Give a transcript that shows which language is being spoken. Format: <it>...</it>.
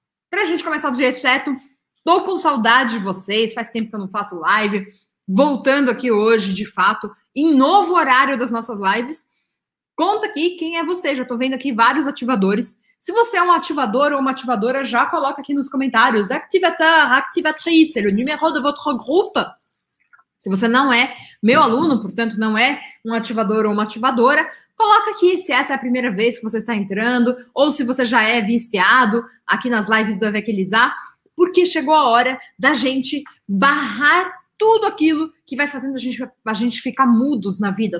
<pt>Para a gente começar do jeito certo, estou com saudade de vocês, faz tempo que eu não faço live, voltando aqui hoje, de fato, em novo horário das nossas lives. Conta aqui quem é você, já estou vendo aqui vários ativadores. Se você é um ativador ou uma ativadora, já coloca aqui nos comentários.</pt> <fr>Activateur, activatrice, le numéro de votre groupe.</fr> <pt>Se você não é meu aluno, portanto, não é um ativador ou uma ativadora, coloca aqui se essa é a primeira vez que você está entrando ou se você já é viciado aqui nas lives do Evequilizar, porque chegou a hora da gente barrar tudo aquilo que vai fazendo a gente ficar mudos na vida.</pt>